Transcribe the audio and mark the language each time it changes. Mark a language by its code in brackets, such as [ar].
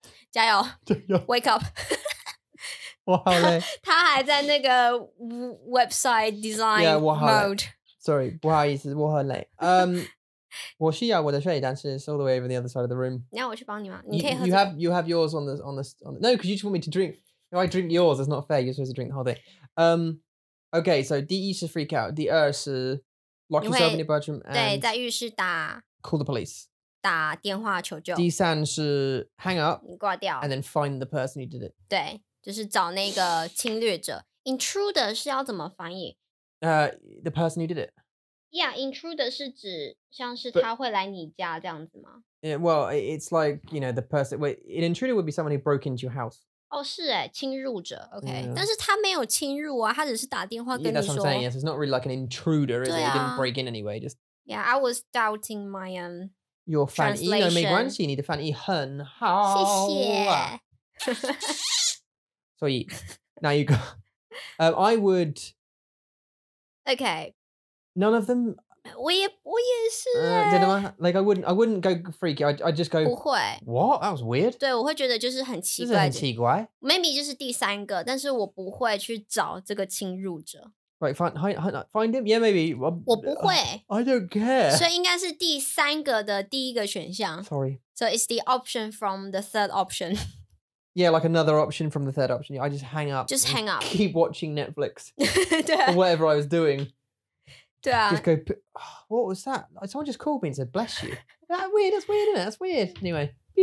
[zh] 加油，加油， [en] wake up [zh] 。 他还在那个 website design yeah, 我好 [en] mode. Sorry, [zh] 不好意思，我很累。我需要我的水，但是 [en] it's all the way over the other side of the room. [zh] 你要我去帮你吗？你可以喝。 [en] You have yours on the. No, because you just want me to drink. If I drink yours, it's not fair. You're supposed to drink the whole thing. Okay, so [zh] 第一是 [en] freak out, [zh] 第二是 [en] lock yourself in your bedroom. [zh] 对，在浴室打。 [en] Call the police. [zh] 打电话求救。第三是 [en] hang up. [zh] 你挂掉。 [en] And then find the person who did it. [zh] 对。就是找那个侵略者 ，intruder 是要怎么翻译？ [en] The person who did it. [zh] Yeah, intruder 是指像是他会来你家这样子吗 [en] yeah, ？Well, it's like you know the person. Wait, an intruder would be someone who broke into your house. [zh] 哦，是哎，侵入者。OK， yeah. 但是他没有侵入啊，他只是打电话跟你说。 [en] Yeah, that's what I'm saying. Yes, it's not really like an intruder, is it? He didn't break in anyway. Just yeah, I was doubting my your [zh] 翻译都没关系，你的翻译很好。谢谢。所以, [en] now you go. I would. Okay. None of them. [zh] 我也是。真的吗? [en] Like I wouldn't go freaky. I just go. [zh] 不会。 [en] What? That was weird. [zh] 对，我会觉得就是很奇怪。这是很奇怪。 [en] Maybe [zh] 就是第三个，但是我不会去找这个侵入者。 [en] Right, find him. Yeah, maybe. [zh] 我不会。 [en] I don't care. [zh] 所以应该是第三个的第一个选项。 [en] Sorry. So it's the option from the third option. Yeah, like another option from the third option. I just hang up. Just hang up. Keep watching Netflix. [zh] 对啊。 [en] Or whatever I was doing. [zh] 对啊。 [en] Just go, what was that? Someone just called me and said, bless you. That's weird, that's weird, isn't it? That's weird. Anyway.